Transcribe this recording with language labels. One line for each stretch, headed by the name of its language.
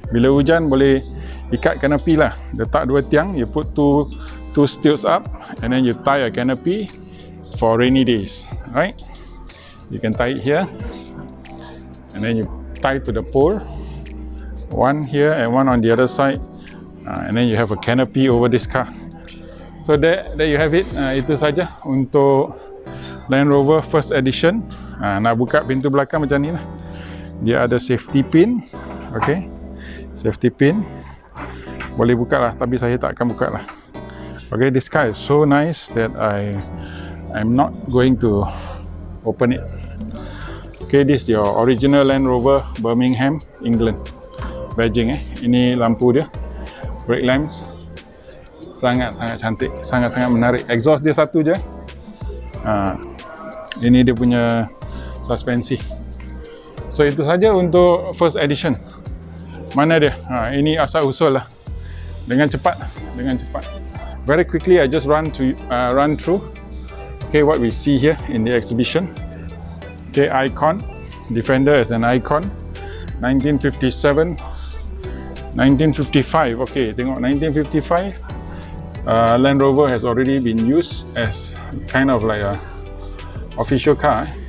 Malay: Bila hujan boleh ikat canopy lah. Letak dua tiang,
English: you put two stilts up, and then you tie your canopy for rainy days, right? You can tie it here, and then you tie to the pole. One here and one on the other side, and then you have a canopy over this car. So there you have it.
Malay: Itu saja untuk Land Rover first edition. Nak buka pintu belakang macam ni lah. Dia ada safety pin, okay? Safety pin boleh buka lah, tapi saya tak akan buka lah.
English: Okay, this car is so nice that I'm not going to open it. Okay, this is your original Land Rover Birmingham, England.
Malay: Badging eh. Ini lampu dia. Brake lamps. Sangat-sangat cantik. Sangat-sangat menarik. Exhaust dia satu je. Ini dia punya suspensi. So, itu saja untuk first edition. Mana dia? Ini asal-usul lah. Dengan cepat. Dengan cepat.
English: Very quickly, I just run through. Okay, what we see here in the exhibition. Okay, icon. Defender is an icon. 1957. 1955, okay, tengok 1955, Land Rover has already been used as kind of like a official car.